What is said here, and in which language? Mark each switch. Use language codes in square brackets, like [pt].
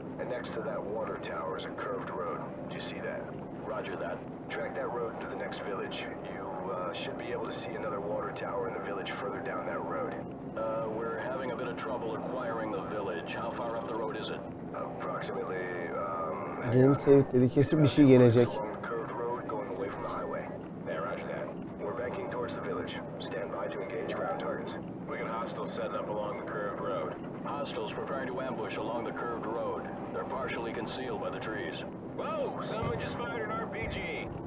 [en] And next to that water tower is a curved road. Do you see that? Roger that. Track that road to the next village. You should be able to see another water tower in the village further down that road. We're having a bit of trouble acquiring the village. How far up the road is it? Approximately, [tr] James Seyit dedi kesin bir şey gelecek. [en] Curved road going away from the highway. Yeah, roger that. We're banking towards the village. Stand by to engage ground targets. We got hostiles setting up along the curved road. Hostiles preparing to ambush along the curved road. They're partially concealed by the trees. Whoa! Someone just fired an RPG!